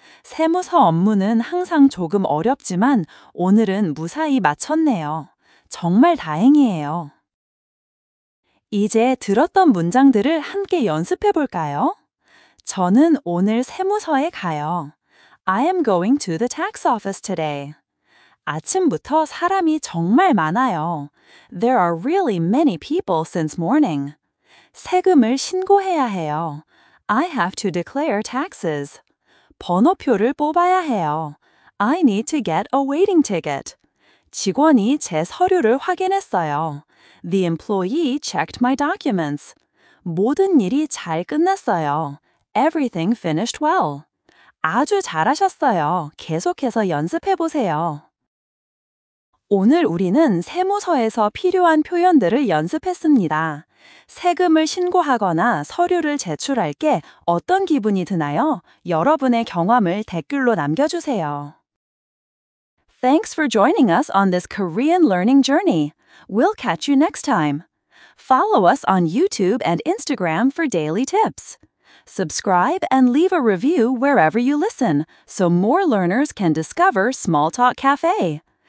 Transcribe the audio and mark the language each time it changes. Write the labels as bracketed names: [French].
[Korean] 세무서 업무는 항상 조금 어렵지만 오늘은 무사히 마쳤네요. 정말 다행이에요. 이제 들었던 문장들을 함께 연습해 볼까요? 저는 오늘 세무서에 가요. [English] I am going to the tax office today. [Korean] 아침부터 사람이 정말 많아요. [English] There are really many people since morning. [Korean] 세금을 신고해야 해요. [English] I have to declare taxes. [Korean] 번호표를 뽑아야 해요. [English] I need to get a waiting ticket. [Korean] 직원이 제 서류를 확인했어요. [English] The employee checked my documents. [Korean] 모든 일이 잘 끝났어요. [English] Everything finished well. [Korean] 아주 잘하셨어요. 계속해서 연습해 보세요. 오늘 우리는 세무서에서 필요한 표현들을 연습했습니다. 세금을 신고하거나 서류를 제출할 게 어떤 기분이 드나요? 여러분의 경험을 댓글로 남겨주세요. [English] Thanks for joining us on this Korean learning journey. We'll catch you next time. Follow us on YouTube and Instagram for daily tips. Subscribe and leave a review wherever you listen so more learners can discover Small Talk Cafe.